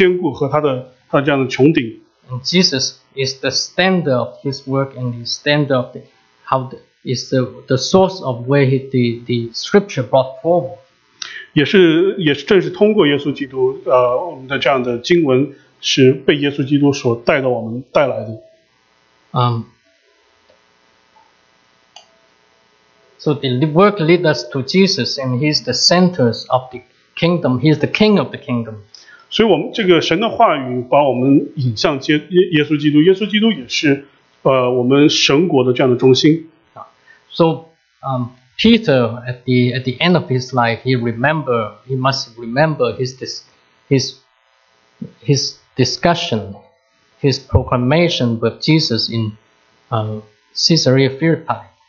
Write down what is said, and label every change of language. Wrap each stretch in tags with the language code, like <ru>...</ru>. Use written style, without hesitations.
<zh>所以这个第一个房角石，它就是作为第一块石头放建造房子的时候放下的第一个石头来确定这个房子的朝向以及它的坚固和它的这样的穹顶。</zh> <en>Jesus is the standard of his work and the standard of the, how the, is the source of where he, the scripture brought forward.</en> <zh>也是正是通过耶稣基督，我们的这样的经文。是被耶稣基督所带到我们带来的。</zh> <en>So the work leads us to Jesus, and he's the center of the kingdom. He's the king of the kingdom.</en> <zh>所以我们这个神的话语把我们引向耶稣基督，耶稣基督也是我们神国的这样的中心。</zh> <en>So Peter at the end of his life, he must remember his discussion, his proclamation with Jesus in Caesarea Philippi.</en>